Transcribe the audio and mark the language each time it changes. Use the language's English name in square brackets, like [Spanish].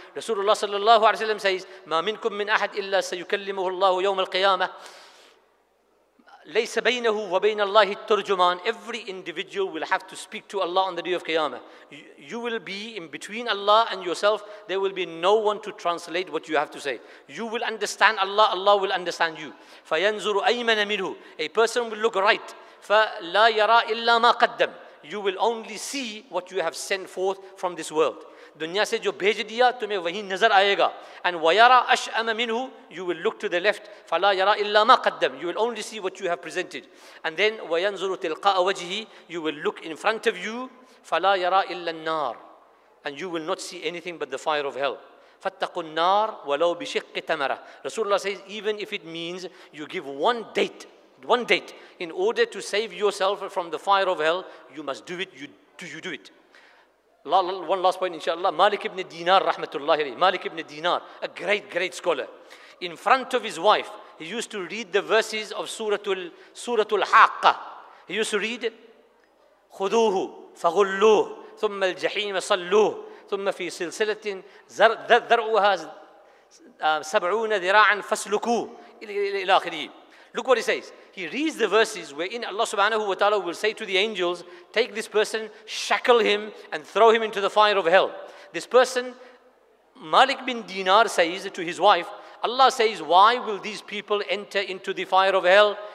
[Arabic] Rasulullah sallallahu alayhi wa sallam says, مَا مِنْكُمْ مِنْ أَحَدْ إِلَّا سَيُكَلِّمُهُ اللَّهُ يَوْمَ الْقِيَامَةِ لَيْسَ بَيْنَهُ وَبَيْنَ اللَّهِ التُّرْجُمَانِ. [English] Every individual will have to speak to Allah on the day of Qiyamah. You will be in between Allah and yourself. There will be no one to translate what you have to say. You will understand Allah. Allah will understand you. [Arabic] فَيَنْزُرُ أَيْمَنَ مِنْهُ. [English] A person will look right. [Arabic] فَلَا يَرَى إِلَّا مَا قَدَّمْ. [English] You will only see what you have sent forth from this world. [Urdu] دنیا سے جو بھیج دیا تمہیں وہی نظر آئے گا. [English] And [Arabic] وَيَرَا أَشْأَمَ مِنْهُ, [English] you will look to the left, [Arabic] فَلَا يَرَا إِلَّا مَا قَدَّمْ, [English] you will only see what you have presented. And then [Arabic] وَيَنْظُرُ تِلْقَاءَ وَجْهِ, [English] you will look in front of you, [Arabic] فَلَا يَرَا إِلَّا النَّارِ, [English] and you will not see anything but the fire of hell. [Arabic] فَاتَّقُوا النَّارِ وَلَوْ بِشِقِّ تَمَرَةِ. [English] Rasulullah says, even if it means you give one date, in order to save yourself from the fire of hell, you must do it. Do you do it? One last point, inshallah. Malik ibn Dinar, rahmatullahi alayhi. Malik ibn Dinar, a great scholar. In front of his wife, he used to read the verses of Suratul Haqqah. He used to read, [Arabic] خُذُوهُ فَغُلُّوهُ ثُمَّ الْجَحِيمَ صَلُّوهُ ثُمَّ فِي سِلْسِلَةٍ ذَرْعُهَا سَبْعُونَ ذِرَاعًا فَاسْلُكُوهُ إِلَى آخِرِهِ. [English] Look what he says. He reads the verses wherein Allah subhanahu wa ta'ala will say to the angels, take this person, shackle him, and throw him into the fire of hell. This person, Malik bin Dinar, says to his wife, Allah says, why will these people enter into the fire of hell?